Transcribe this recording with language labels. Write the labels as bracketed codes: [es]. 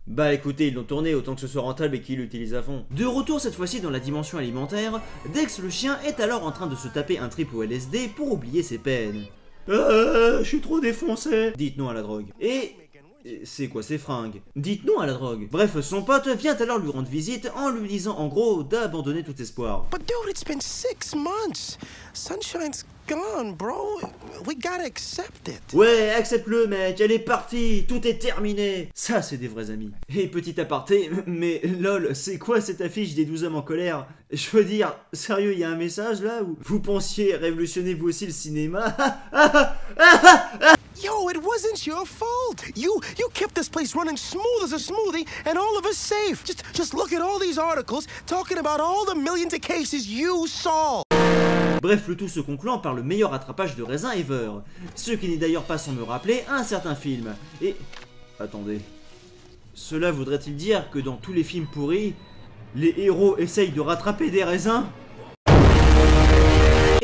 [fr] Bah écoutez, ils l'ont tourné autant que ce soit rentable et qu'ils l'utilisent à fond. De retour cette fois-ci dans la dimension alimentaire, Dex le chien est alors en train de se taper un trip au LSD pour oublier ses peines. Je suis trop défoncé. Dites non à la drogue. Et... C'est quoi ces fringues? Dites non à la drogue. Bref, son pote vient alors lui rendre visite en lui disant en gros d'abandonner tout espoir. [en] But dude, it's been 6 months. Sunshine's gone, bro. We gotta accept it. [fr] Ouais, accepte-le, mec. Elle est partie. Tout est terminé. Ça, c'est des vrais amis. Et petit aparté, mais lol, c'est quoi cette affiche des 12 hommes en colère? Je veux dire, sérieux, il y a un message là où vous pensiez révolutionner vous aussi le cinéma? [en] Yo, it wasn't your fault. You kept this place running smooth as a smoothie and all of us safe. Just look at all these articles talking about all the millions of cases you saw. [fr] Bref, le tout se concluant par le meilleur attrapage de raisin ever. Ce qui n'est d'ailleurs pas sans me rappeler un certain film. Et... attendez... cela voudrait-il dire que dans tous les films pourris, les héros essayent de rattraper des raisins ?